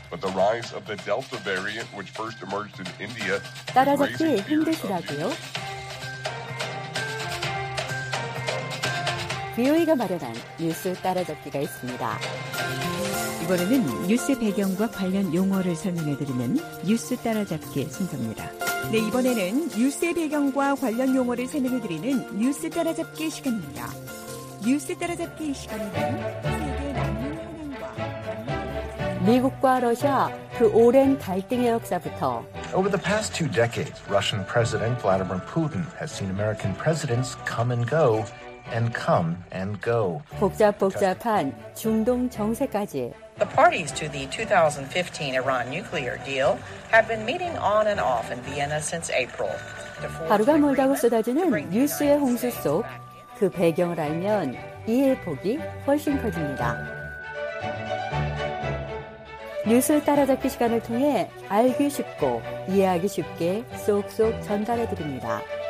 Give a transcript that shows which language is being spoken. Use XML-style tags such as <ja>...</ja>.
<en>But the rise of the Delta variant, which first emerged in India,</en> <ko>따라잡기 힘드시라고요? 비오이가 마련한 뉴스 따라잡기가 있습니다. 이번에는 뉴스 배경과 관련 용어를 설명해드리는 뉴스 따라잡기 순서입니다. 네, 이번에는 뉴스의 배경과 관련 용어를 설명해드리는 뉴스 따라잡기 시간입니다. 뉴스 따라잡기 시간은 미국과 러시아 그 오랜 갈등의 역사부터</ko> <en>Over the past two decades, Russian President Vladimir Putin has seen American presidents come and go and come and go.</en> <ko>복잡복잡한 중동 정세까지</ko> <en>The parties to the 2015 Iran nuclear deal have been meeting on and off in Vienna since April.</en> <ko>하루가 멀다고 쏟아지는 뉴스의 홍수 속 그 배경을 알면 이해 폭이 훨씬 커집니다. 뉴스 따라잡기 시간을 통해 알기 쉽고 이해하기 쉽게 쏙쏙 전달해 드립니다.</ko>